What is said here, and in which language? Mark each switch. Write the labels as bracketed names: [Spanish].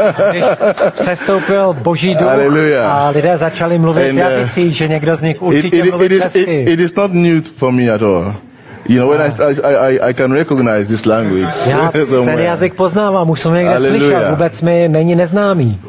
[Czech] Když přestoupil Boží duch, Alleluia, a lidé začali mluvit v jazyce, že někdo z nich určitě mluví česky. [English] It is not new for me at all. You know, when I can recognize this language. [Czech] Já ten jazyk poznávám, už jsem někde slyšel, vůbec mi není neznámý.